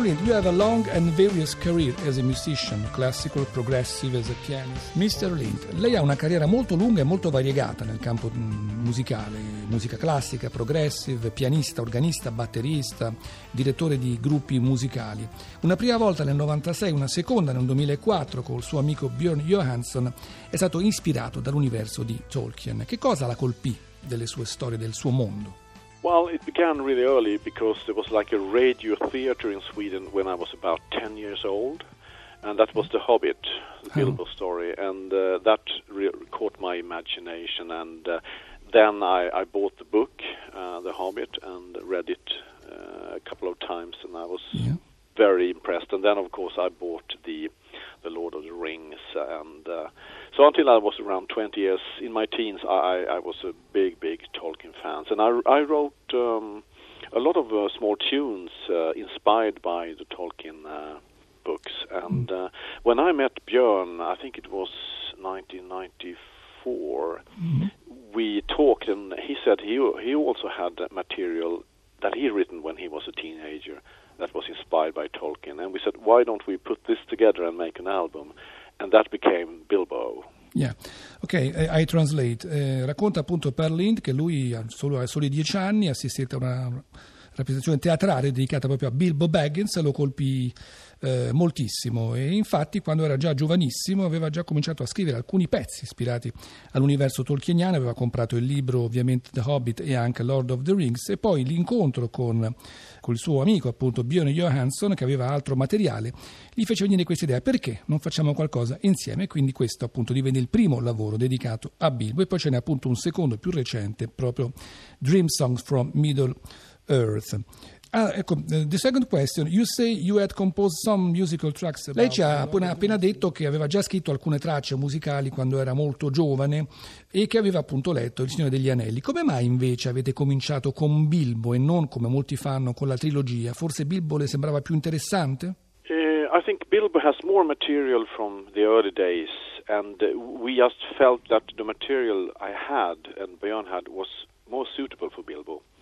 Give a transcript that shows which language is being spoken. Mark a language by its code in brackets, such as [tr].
[en] Lind, you have a long and various career as a musician, classical, progressive, as a pianist. Mr. [it] Lind, lei ha una carriera molto lunga e molto variegata nel campo musicale, musica classica, progressive, pianista, organista, batterista, direttore di gruppi musicali. Una prima volta nel 96, una seconda nel 2004 col suo amico Björn Johansson, è stato ispirato dall'universo di Tolkien. Che cosa la colpì delle sue storie, del suo mondo? [en] Well, it began really early because there was like a radio theater in Sweden when I was about 10 years old, and that was The Hobbit, Bilbo story, and that caught my imagination, and then I bought the book, The Hobbit, and read it a couple of times, and I was very impressed, and then, of course, I bought the Lord of the Rings, and so until I was around 20 years, in my teens, I was a big, big Tolkien fan. And I wrote a lot of small tunes inspired by the Tolkien books. And when I met Björn, I think it was 1994, we talked, and he said he also had material that he'd written when he was a teenager that was inspired by Tolkien. And we said, why don't we put this together and make an album? And that became Bilbo. Yeah, ok, I translate. [it] Racconta appunto Per Lind che lui ha soli 10 anni, assistette a una rappresentazione teatrale dedicata proprio a Bilbo Baggins, lo colpì moltissimo, e infatti quando era già giovanissimo aveva già cominciato a scrivere alcuni pezzi ispirati all'universo tolkieniano, aveva comprato il libro ovviamente The Hobbit e anche Lord of the Rings, e poi l'incontro con il suo amico appunto Björn Johansson, che aveva altro materiale, gli fece venire questa idea: perché non facciamo qualcosa insieme? Quindi questo appunto divenne il primo lavoro dedicato a Bilbo, e poi ce n'è appunto un secondo più recente, proprio Dream Songs from Middle Earth. [en] The second question, you say you had composed some musical tracks about... [it] Lei ci ha appena detto che aveva già scritto alcune tracce musicali quando era molto giovane e che aveva appunto letto Il Signore degli Anelli. Come mai invece avete cominciato con Bilbo e non, come molti fanno, con la trilogia? Forse Bilbo le sembrava più interessante? [en] I think Bilbo has more material from the early days, and we just felt that the material I had and Björn had was more suitable for Bilbo.